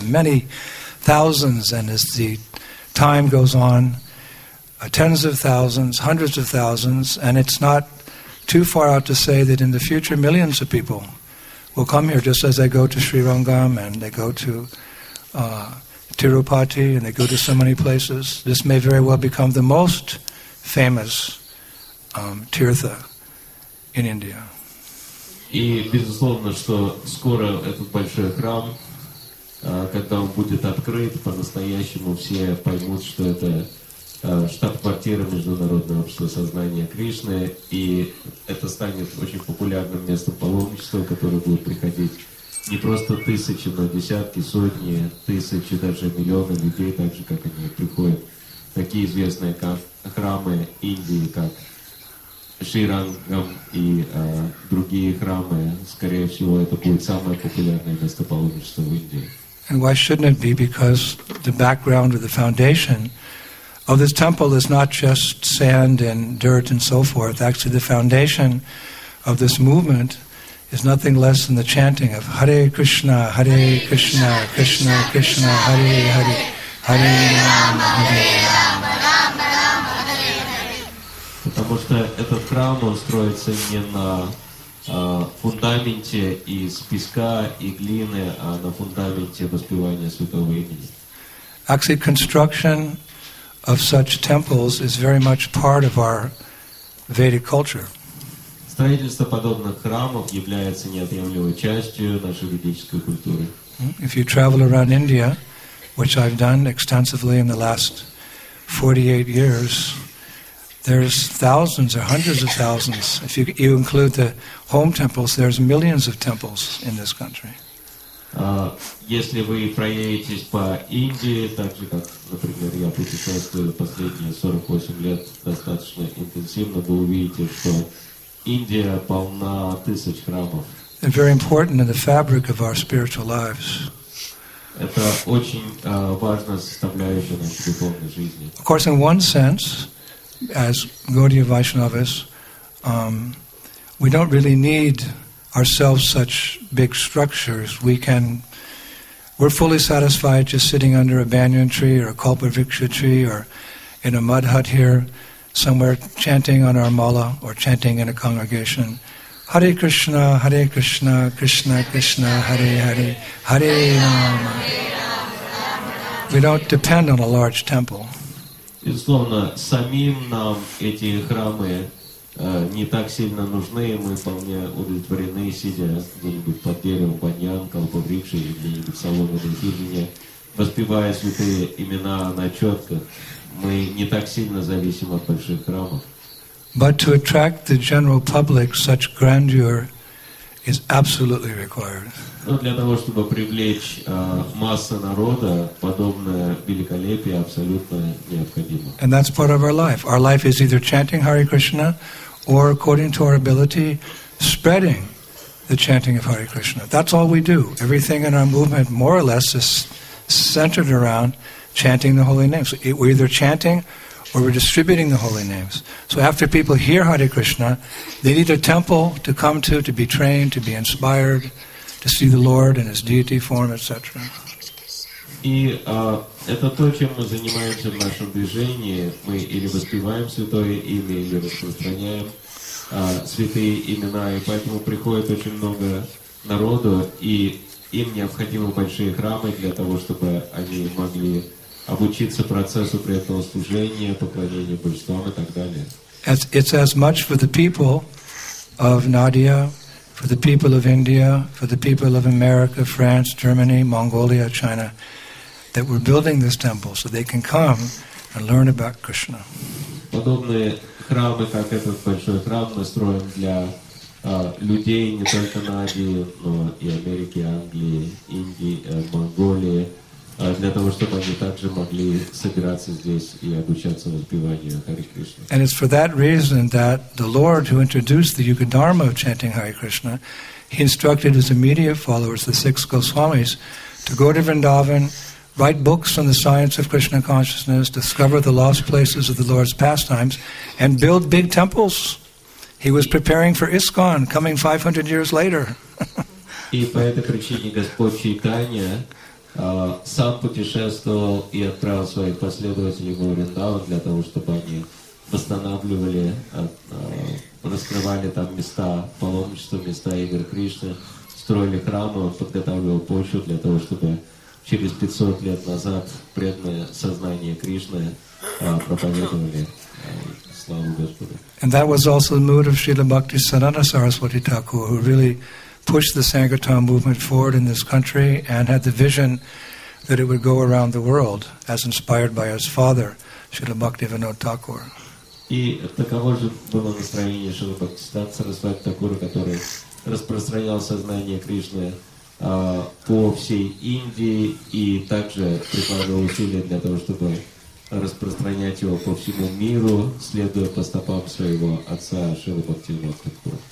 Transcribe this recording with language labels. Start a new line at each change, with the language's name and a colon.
English: And many thousands, and as the time goes on, tens of thousands, hundreds of thousands, and it's not too far out to say that in the future millions of people will come here, just as they go to Sri Rangam and they go to Tirupati and they go to so many places. This may very well become the most famous Tirtha in India.
Russian: И безусловно, что скоро этот большой храм, когда он будет открыт, по-настоящему все поймут, что это штаб-квартира Международного общества сознания Кришны, и это станет очень популярным местом паломничества, которое будет приходить не просто тысячи, но десятки, сотни, тысячи, даже миллионы людей, так же, как они приходят. Такие известные храмы Индии, как Шри Рангам и другие храмы, скорее всего, это будет самое популярное место паломничества в Индии.
English: And why shouldn't it be? Because the background or the foundation of this temple is not just sand and dirt and so forth. Actually, the foundation of this movement is nothing less than the chanting of Hare Krishna, Hare Krishna, Krishna Krishna, Hare Hare, Hare Rama, Hare Rama, Rama Rama, Hare Hare.
Russian: Потому что этот храм строится не на фундаменте из песка и глины, а на фундаменте воспевания святого имени.
English: Actually, construction of such temples is very much part of our Vedic culture.
Russian: Строительство подобных храмов является неотъемлемой частью нашей ведической культуры.
English: If you travel around India, which I've done extensively in the last 48 years, there's thousands or hundreds of thousands. If you include the home temples, there's millions of temples in this country.
Russian: Если вы проедетесь по Индии, так же как, например, я путешествую последние 48 лет достаточно интенсивно, вы увидите, что Индия полна тысяч храмов.
English: They're very important in the fabric of our spiritual lives.
Russian: Это очень важная составляющая нашей духовной жизни.
English: Of course, in one sense, as Gaudiya Vaishnavas, we don't really need ourselves such big structures. We can We're fully satisfied just sitting under a banyan tree or a kalpa vriksha tree or in a mud hut here somewhere chanting on our mala or chanting in a congregation. Hare Krishna, Krishna Krishna, Hare Hare, Hare Rama. We don't depend on a large temple.
Russian: Безусловно, самим нам эти храмы не так сильно нужны, мы вполне удовлетворены, сидя где-нибудь под деревом, баньян, колбовикши, где-нибудь в салоне Дхирине, воспевая святые имена на четках, мы не так сильно зависим от больших храмов.
English: But to attract the general public, such grandeur is absolutely required.
Russian: Но для того, чтобы привлечь массу народа, подобное великолепие абсолютно необходимо.
English: And that's part of our life. Our life is either chanting Hare Krishna, or according to our ability, spreading the chanting of Hare Krishna. That's all we do. Everything in our movement, more or less, is centered around chanting the holy names. We're either chanting, or we're distributing the holy names. So after people hear Hare Krishna, they need a temple to come to be trained, to be inspired, to see the Lord in His deity form, etc.
Russian: И это то, чем мы занимаемся в нашем движении. Мы или воспеваем святое имя, или распространяем святые имена. И поэтому приходит очень много народу, и им необходимы большие храмы для того, чтобы они могли обучиться процессу преданного служения, поклонения божествам и так далее.
English: It's as much for the people of Nadia, for the people of India, for the people of America, France, Germany, Mongolia, China, that we're building this temple so they can come and learn about Krishna.
Russian: Подобные храмы, как этот большой храм, мы строим для людей не только Нади, но и Америки, Англии, Индии, Монголии, для того, чтобы они также могли собираться здесь и обучаться воспеванию Хари Кришны.
English: And it's for that reason that the Lord, who introduced the Yuga Dharma of chanting Hare Krishna, he instructed his immediate followers, the six Goswamis, to go to Vrindavan, write books on the science of Krishna consciousness, discover the lost places of the Lord's pastimes, and build big temples. He was preparing for ISKCON, coming 500 years later.
Russian: И по этой причине Господь Чайтанья сам путешествовал и отправил своих последователей в Вриндаван для того, чтобы они восстанавливали, раскрывали там места паломничества, места игр Кришны, строили храмы, подготавливал почву для того, чтобы через 500 лет назад преданное сознание Кришны проповедовали славу Господу.
English: And that was also the mood of Srila Bhakti Sanatana Saraswati Thakur, who really pushed the Sangatam movement forward in this country and had the vision that it would go around the world as inspired by his father, Srila Bhaktivinoda Thakur.
Russian: И таково же было настроение Шрила Бхактисиддханта Сарасвати Такура, который распространял сознание Кришны по всей Индии и также прикладывал усилия для того, чтобы распространять его по всему миру, следуя по стопам своего отца Шрила Бхактивинода Такура.